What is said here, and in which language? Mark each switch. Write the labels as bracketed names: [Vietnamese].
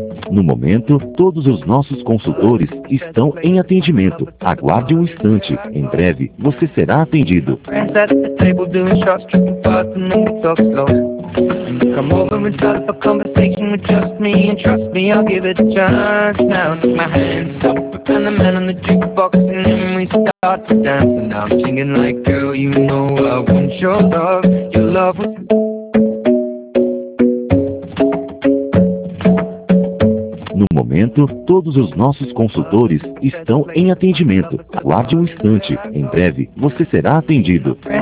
[Portuguese] No momento, todos os nossos consultores estão em atendimento. Aguarde um instante. Em breve, você será atendido. [English] Come over and start up a conversation with just me. And trust me, I'll give it a chance. Now take my hand, stop, put on the man on the jukebox. And then we start to dance. And now I'm singing like, girl, you know I want your love. Your love was... [Portuguese] No momento, todos os nossos consultores estão em atendimento. Aguarde um instante. Em breve, você será atendido.